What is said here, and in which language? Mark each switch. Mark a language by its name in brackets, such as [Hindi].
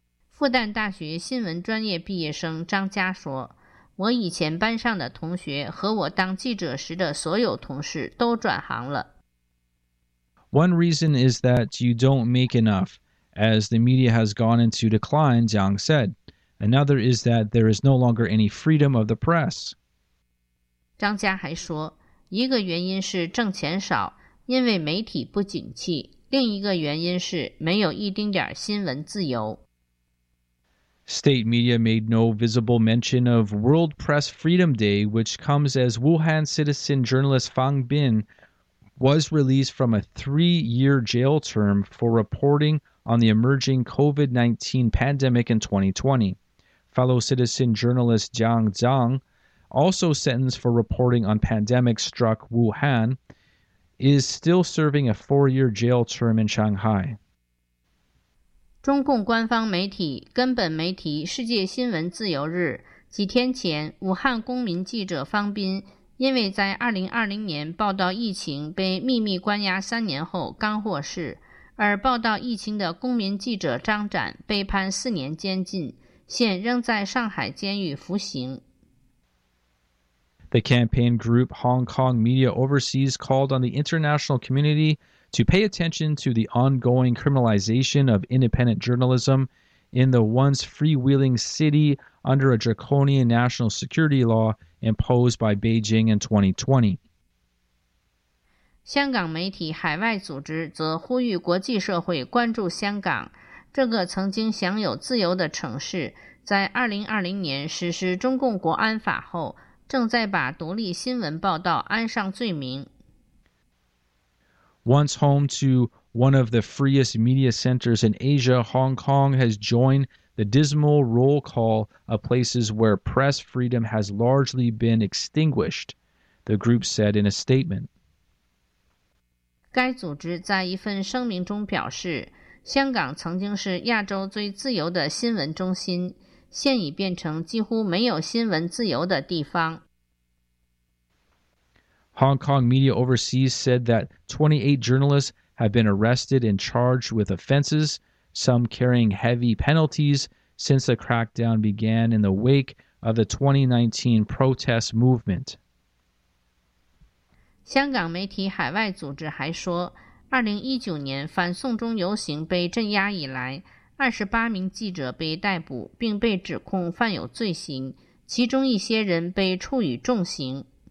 [Chinese] 复旦大学新闻专业毕业生张佳说，我以前班上的同学和我当记者时的所有同事都转行了。 [English] One reason is that you don't make enough, as the media has gone into decline, Zhang said. Another is that there is no longer any freedom of the press. [Chinese] 张家还说，一个原因是挣钱少，因为媒体不景气，另一个原因是没有一丁点新闻自由。 [English] State media made no visible mention of World Press Freedom Day, which comes as Wuhan citizen journalist Fang Bin was released from a 3-year jail term for reporting on the emerging COVID-19 pandemic in 2020. Fellow citizen journalist Jiang Zhang, also sentenced for reporting on pandemic-struck Wuhan, is still serving a 4-year jail term in Shanghai. [Chinese] 中共官方媒体、根本媒体《世界新闻自由日》几天前，武汉公民记者方斌因为在2020年报道疫情被秘密关押三年后刚获释，而报道疫情的公民记者张展被判四年监禁。现仍在上海监狱服刑。 [English] The campaign group Hong Kong Media Overseas called on the international community to pay attention to the ongoing criminalization of independent journalism in the once freewheeling city under a draconian national security law imposed by Beijing in 2020. [Chinese] 香港媒体海外组织则呼吁国际社会关注香港。这个曾经享有自由的城市在2020年实施中共国安法后正在把独立新闻报道安上罪名。 [English] Once home to one of the freest media centers in Asia, Hong Kong has joined the dismal roll call of places where press freedom has largely been extinguished, the group said in a statement. [Chinese] 该组织在一份声明中表示，香港曾经是亚洲最自由的新闻中心，现已变成几乎没有新闻自由的地方。 [English] Hong Kong Media Overseas said that 28 journalists have been arrested and charged with offenses, some carrying heavy penalties since the crackdown began in the wake of the 2019 protest movement. [Chinese] 香港媒体海外组织还说，2019年反送中游行被镇压以来，28名记者被逮捕并被指控犯有罪行，其中一些人被处以重刑。